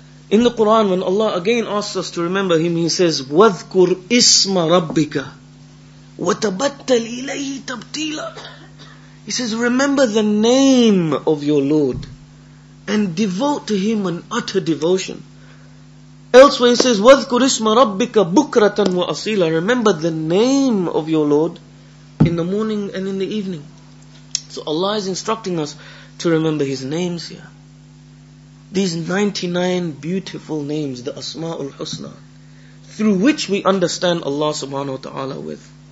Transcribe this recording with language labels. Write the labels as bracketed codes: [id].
[en] In the Quran, when Allah again asks us to remember Him, He says, [ar] وَذْكُرْ إِسْمَ رَبِّكَ وَتَبَتَّلْ إِلَيْهِ تَبْتِيلًا. [en] He says, remember the name of your Lord and devote to Him an utter devotion. Elsewhere He says, [ar] وَذْكُرْ إِسْمَ رَبِّكَ بُكْرَةً وَأَصِيلًا. [en] Remember the name of your Lord in the morning and in the evening. So Allah is instructing us to remember His names here. These 99 beautiful names, the Asma'ul Husna, through which we understand Allah subhanahu wa ta'ala with.